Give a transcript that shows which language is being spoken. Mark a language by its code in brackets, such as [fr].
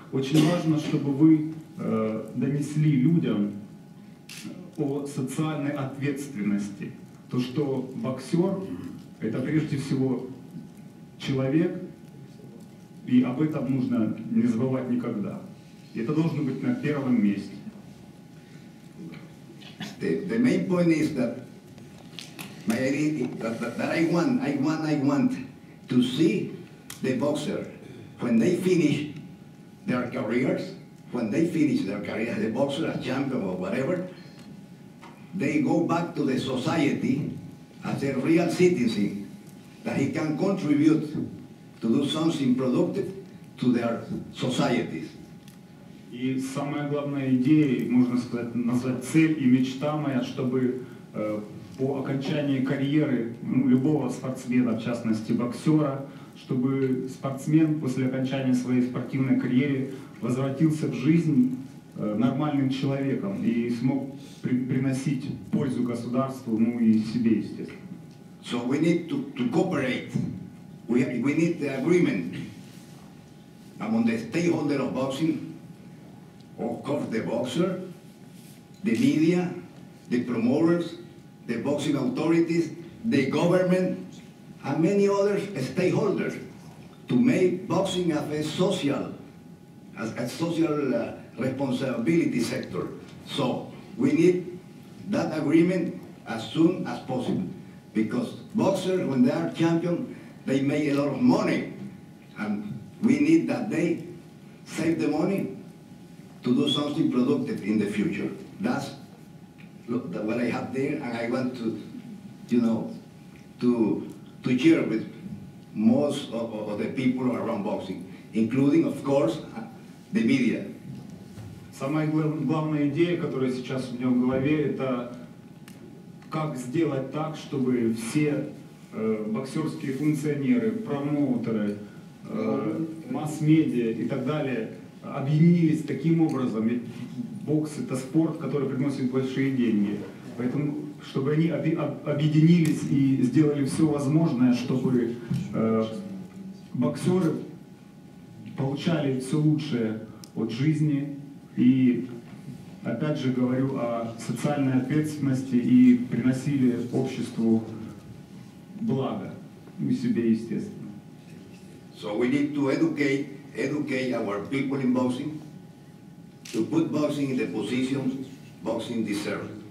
[ru] Очень важно, чтобы вы донесли людям о социальной ответственности. То, что боксер – это прежде всего человек, и об этом нужно не забывать никогда. Это должно быть на первом месте. [en] The main point is that my idea that I want to see the boxer when they finish their careers, the boxer as champion or whatever, they go back to the society as a real citizen, that he can contribute to do something productive to their societies. [ru] И самая главная идея, можно сказать, назвать цель и мечта моя, чтобы по окончании карьеры любого спортсмена, в частности боксера, чтобы спортсмен после окончания своей спортивной карьеры возвратился в жизнь нормальным человеком и смог приносить пользу государству, ну и себе, естественно. [en] So we need to cooperate. We need the agreement among the stakeholders of boxing. Of course, the boxer, the media, the promoters, the boxing authorities, the government, and many other stakeholders to make boxing as a social responsibility sector. So we need that agreement as soon as possible. because boxers, when they are champion, they make a lot of money. And we need that they save the money to do something productive in the future. That's what I have there, and I want to, you know, to cheer with most of the people around boxing, including, of course, the media. [ru] Самая главная идея, которая сейчас у меня в голове, это как сделать так, чтобы все боксерские функционеры, промоутеры, масс-медиа и так далее объединились таким образом. Ведь бокс – это спорт, который приносит большие деньги. Поэтому, чтобы они объединились и сделали все возможное, чтобы боксеры получали все лучшее от жизни. И опять же говорю о социальной ответственности и приносили обществу благо, ну, себе естественно. [en] So we need to educate our people in boxing, to put boxing in the position boxing deserves.